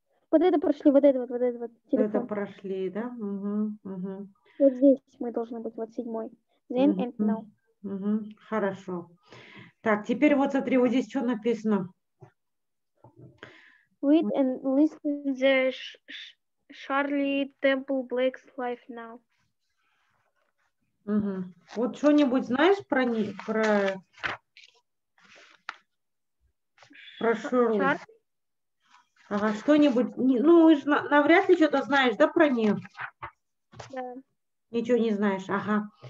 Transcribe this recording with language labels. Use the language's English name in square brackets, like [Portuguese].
[Russian] Вот это прошли, вот это вот. Телефон. Это прошли, да? Угу, угу. Вот здесь мы должны быть, вот седьмой. [English] Then, угу, and now. [Russian] Угу, хорошо. Так, теперь вот смотри, вот здесь что написано? [English] Read and listen to the Charlie Temple Black's life now. [Russian] Угу. Вот что-нибудь знаешь про них? Про Шарли? Ага, что-нибудь, ну, навряд ли что-то знаешь, да, про нее? Да. Ничего не знаешь, ага.